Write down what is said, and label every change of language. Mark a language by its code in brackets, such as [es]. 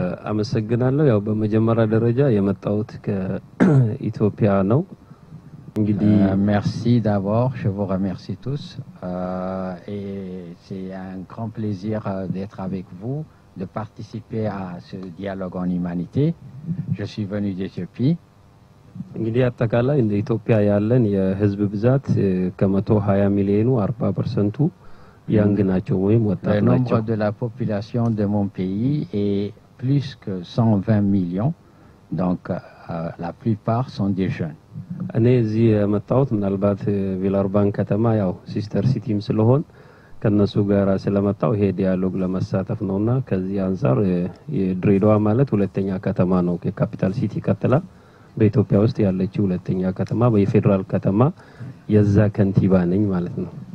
[am] አመሰግናለሁ። ያው በመጀመሪያ ደረጃ የመጣሁት ከኢትዮጵያ ነው። እንግዲህ [fr] merci d'abord, je vous remercie tous et c'est un grand plaisir d'être avec vous, de participer à ce dialogue en humanité. Je suis venu d'Éthiopie. [am] እንግዲህ አጠቃላይ እንደ ኢትዮጵያ ያለን የህዝብ ብዛት ከ120 ሚሊዮን 40% ያንግ ናቸው ወይም ወጣት ናቸው። [fr] Le nombre de la population de mon pays est plus que 120 millions, donc la plupart sont des jeunes. [am] እነዚ የመጣውት ምናልባት ቪላርባን ከተማ ያው ሲስተር ሲቲም ስለሆን ከነሱ ጋር ስለመጣው ይሄ ዲያሎግ ለመሳተፍ ነውና ከዚህ አንፃር የድሬዳዋ ማለት ሁለተኛ ከተማ ነው ከካፒታል ሲቲ ከተላ በኢትዮጵያ ውስጥ ያለችው ሁለተኛ ከተማ በፌደራል ከተማ የዛ ከንቲባ ነኝ ማለት ነው።